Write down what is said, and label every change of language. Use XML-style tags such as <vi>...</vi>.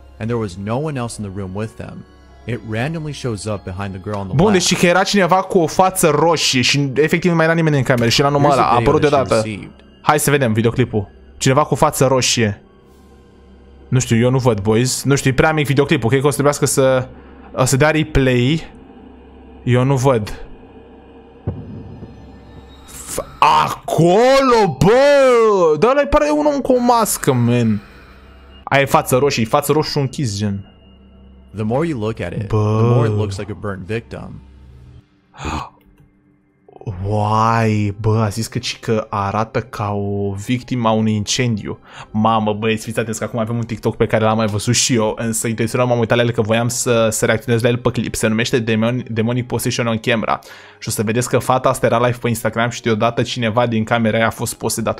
<en>And there was no one else in the room with them. It randomly shows up behind the girl on the left.</en> <ro>Bun, deci că era cineva cu o față roșie și efectiv nu mai era nimeni în cameră și era numai ăla, a apărut deodată. Hai să vedem videoclipul. Cineva cu față roșie. Nu știu, eu nu văd, boys. Nu știu, e prea mic videoclipul. Cred că o să trebuiască să... O să dea replay. Eu nu văd. Acolo, bă! Dar ăla pare un om cu o mască, man. Aia e față roșie. E față roșu închis, gen.</ro> <en>The more you look at it, bă, the more it looks like a burnt victim.</en> <ro>Uai, bă, a zis că cică arată ca o victimă a unui incendiu. Mamă, băieți, fiți atenți că acum avem un TikTok pe care l-am mai văzut și eu. Însă intenționat m-am uitat la el că voiam să reacționez la el pe clip. Se numește Demonic Possession on Camera. Și o să vedeți că fata asta era live pe Instagram și deodată cineva din camera aia a fost posedat.</ro>